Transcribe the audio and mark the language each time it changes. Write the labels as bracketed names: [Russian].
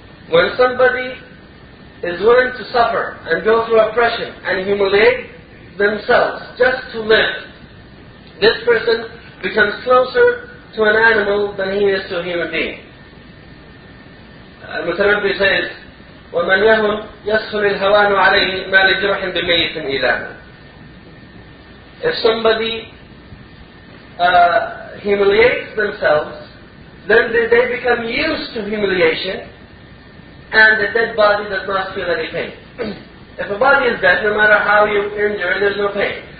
[English] When somebody is willing to suffer and go through oppression and humiliate themselves just to live, this person becomes closer to an animal than he is to a human being. Al-Mutanabbi says, [Arabic] وَمَنْ يَهُمْ يَسْهُلِ الْهَوَانُ عَلَيْهِ مَا لِجْرَحٍ بِمَيِّتٍ إِلَانَ. [English] If somebody humiliates themselves, then they become used to humiliation, and the dead body does not feel any pain. If a body is dead, no matter how you injure, there's no pain.